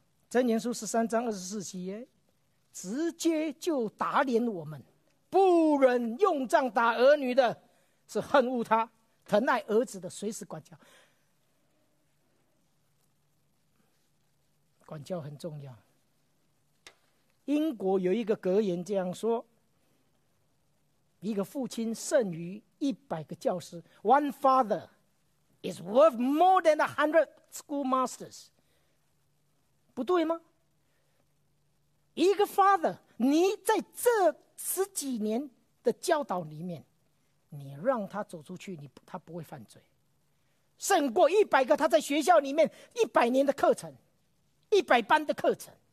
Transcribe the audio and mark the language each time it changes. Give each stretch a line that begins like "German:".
Chinese: 箴言书13:24，直接就打脸我们，不忍用杖打儿女的是恨恶他，疼爱儿子的随时管教。管教很重要。英国有一个格言这样说，一个父亲胜于100教师。
English: One father is worth more than 100 schoolmasters.
Chinese: 不对吗？一个 father， 你在这十几年的教导里面，你让他走出去，他不会犯罪。胜过一百个他在学校里面一百年的课程，一百班的课程。